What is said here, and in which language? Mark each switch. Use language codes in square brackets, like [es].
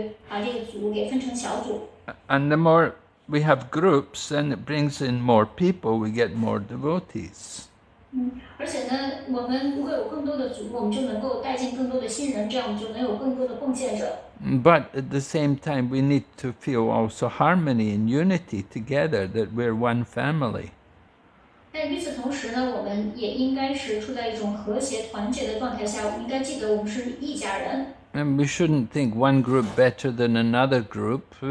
[zh] 那如果人太多了，在组织活动的时候呢，就不方便。所以说呢，我们就更加的方便的能够，就处于这个方便的活动的这个考虑，把这个组给分成小组。And [en] the more we have groups, then it brings in more people. We get more devotees. [zh] 而且呢，我们如果有更多的组，我们就能够带进更多的新人，这样我们就能有更多的贡献者。But [en] at the same time, we need to feel also harmony and unity together, that we're one family. [zh] 但与此同时呢，我们也应该是处在一种和谐团结的状态下，我们应该记得我们是一家人。And [en] we shouldn't think one group better than another group.